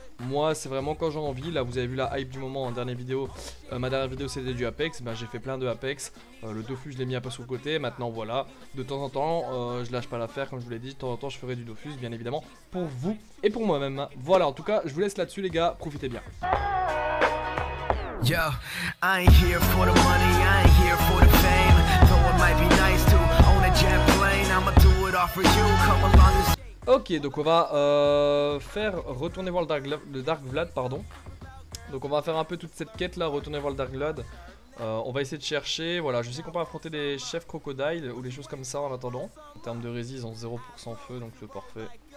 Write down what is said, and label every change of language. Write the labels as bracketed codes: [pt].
[fr] Moi c'est vraiment quand j'ai envie, là vous avez vu la hype du moment en dernière vidéo, ma dernière vidéo c'était du Apex, bah, j'ai fait plein de Apex, le Dofus je l'ai mis un peu sur le côté, maintenant voilà, de temps en temps je lâche pas l'affaire comme je vous l'ai dit, de temps en temps je ferai du Dofus bien évidemment pour vous et pour moi-même. Voilà, en tout cas je vous laisse là-dessus les gars, profitez bien. [en] Yo, I ain't here for the money, I ain't here for the fame. Though it might be nice to own a jet plane, I'ma do it all for you, come along and... [fr] Ok, donc on va faire retourner voir le Dark Vlad, pardon. Donc on va faire un peu toute cette quête là, retourner voir le Dark Vlad. On va essayer de chercher, voilà, je sais qu'on peut affronter des chefs crocodiles ou des choses comme ça en attendant. En termes de résist, ils ont 0% feu, donc c'est parfait.